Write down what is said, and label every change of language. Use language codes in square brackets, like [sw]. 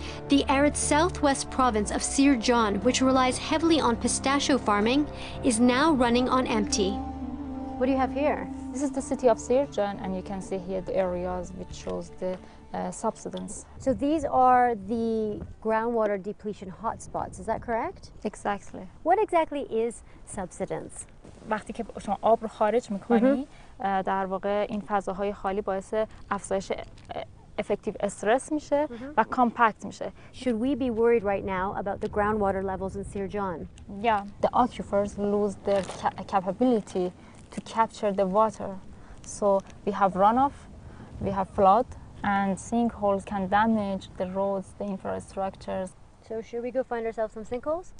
[en] The arid southwest province of Sirjan, which relies heavily on pistachio farming, is now running on empty. What do you have here? This is the city of Sirjan, and you can see here the areas which shows the subsidence. So these are the groundwater depletion hotspots, is that correct? Exactly. What exactly is subsidence? [fa] وقتی که شما آب رو خارج میکنی در واقع این فضاهای خالی باعث افزایش افکتیو استرس میشه و کامپکت میشه. [en] Should we be worried right now about the groundwater levels in Sirjan? Yeah, the aquifers lose their capability to capture the water. So we have runoff, we have flood, and sinkholes can damage the roads, the infrastructures. So should we go find ourselves some sinkholes?